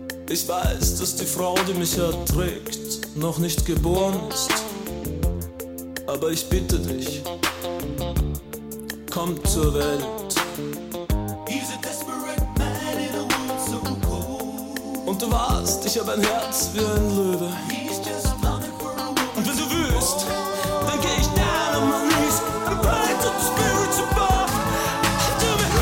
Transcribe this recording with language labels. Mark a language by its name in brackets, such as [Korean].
[German] Ich weiß, dass die Frau, die mich erträgt, noch nicht geboren ist. Aber ich bitte dich, komm zur Welt. [English] He's a desperate man in a world so cold. [German] Und du weißt, ich hab ein Herz wie ein Löwe. [English] He's just for a woman. [German] Und wenn du willst, dann geh ich [English] down on my knees and pray to the spirit above.